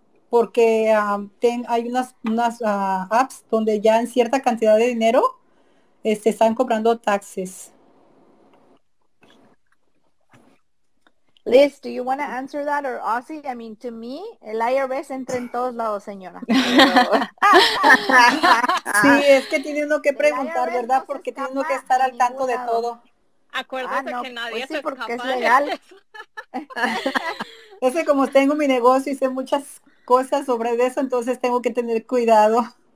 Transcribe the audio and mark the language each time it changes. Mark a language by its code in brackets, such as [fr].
[es] Porque hay unas apps donde ya en cierta cantidad de dinero están cobrando taxes. [en] Liz, do you want to answer that or Aussie? I mean, to me, [es] el IRS entra en todos lados, señora. Sí, es que tiene uno que preguntar, ¿verdad? No, porque tiene uno que estar al tanto de todo. Acuérdate no, que nadie pues sí, se porque escapa. Es legal. Es que como tengo mi negocio y sé muchas cosas sobre eso, entonces tengo que tener cuidado.